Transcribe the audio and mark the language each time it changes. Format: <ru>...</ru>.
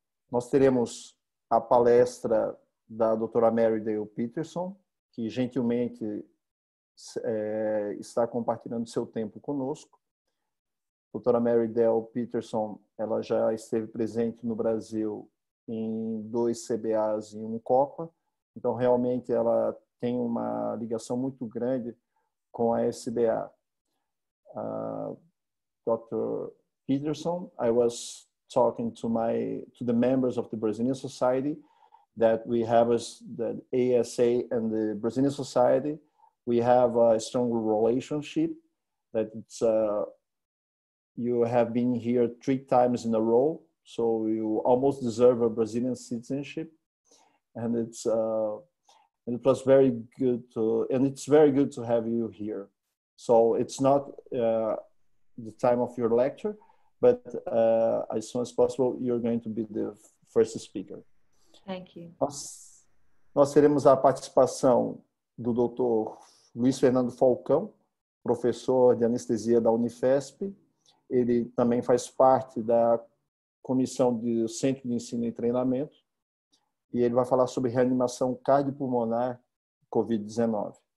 <pt>Nós teremos a palestra da doutora Mary Dale Peterson, que gentilmente está compartilhando seu tempo conosco. Doutora Mary Dale Peterson, ela já esteve presente no Brasil em dois CBAs e um Copa, então realmente ela tem uma ligação muito grande com a SBA.</pt> <en>Dr. Peterson, I was talking to the members of the Brazilian Society that we have as the ASA and the Brazilian Society, we have a strong relationship that it's you have been here 3 times in a row, so you almost deserve a Brazilian citizenship, and it's and it was very good to and it's very good to have you here. So it's not the time of your lecture, but as soon as possible, you're going to be the first speaker. Thank you.</en> <pt>Nós teremos a participação do Dr. Luiz Fernando Falcão, professor de anestesia da Unifesp. Ele também faz parte da comissão do Centro de Ensino e Treinamento, e ele vai falar sobre reanimação cardiopulmonar COVID-19.</pt>